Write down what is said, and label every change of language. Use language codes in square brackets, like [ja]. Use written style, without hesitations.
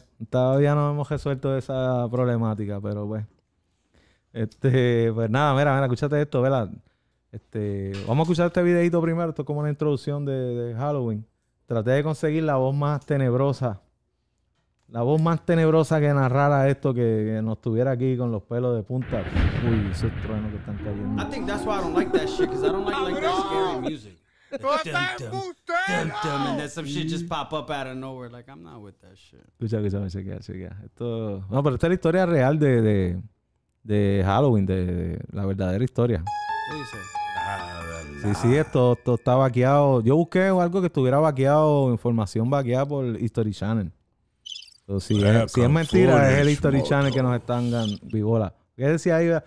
[es] Todavía no hemos resuelto esa problemática, pero pues nada, mira, escúchate esto, ¿verdad? Vamos a escuchar este videito primero, esto es como la introducción de Halloween. Traté de conseguir la voz más tenebrosa que narrara esto, que nos tuviera aquí con los pelos de punta. Uy, esos truenos que están cayendo. [en] I think that's why I don't like that shit, because I don't like that scary music. Dum-dum, and then some shit just pop up out of nowhere. Like, I'm not with that shit. [es] Escúchame, chequea. Esto. No, pero esta es la historia real de Halloween, de la verdadera historia. Sí, sí, esto está vaqueado. Yo busqué algo que estuviera vaqueado, información vaqueada por History Channel. So, si, es, si es mentira, es el History Channel que nos están dando bibola. ¿Qué decía ahí?